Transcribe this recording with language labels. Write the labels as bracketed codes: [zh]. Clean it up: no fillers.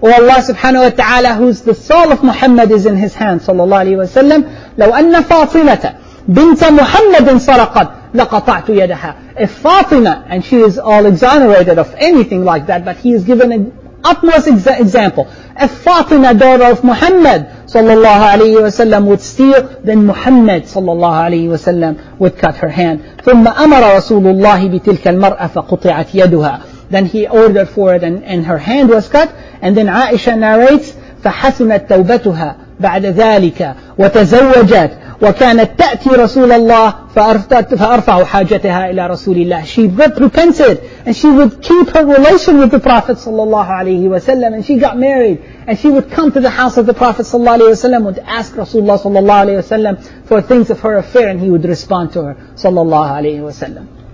[en] Oh Allah subhanahu wa ta'ala, who's the soul of Muhammad is in his hand, sallallahu alayhi wa sallam. [ar] لَوْ أَنَّ فَاطِمَةَ بِنْتَ مُحَمَّدٍ سَرَقَتْ لقطعت يدها. [en] If Fatima, and she is all exonerated of anything like that, but he is given an utmost example. If Fatima, daughter of Muhammad sallallahu alayhi wa sallam, would steal, then Muhammad sallallahu alayhi wa sallam would cut her hand. [ar] ثم أمر رسول الله بتلك المرأة فقطعت يدها. [en] Then he ordered for it and her hand was cut. And then Aisha narrates, [ar] فحسنت توبتها بعد ذلك وتزوجت وكانت تأتي رسول الله فأرفع حاجتها إلى رسول الله. [en] She got repented and she would keep her relation with the Prophet sallallahu alayhi wa sallam, and she got married and she would come to the house of the Prophet sallallahu alayhi wa sallam, would ask Rasulullah sallallahu alayhi wa sallam for things of her affair, and he would respond to her sallallahu alayhi wa sallam.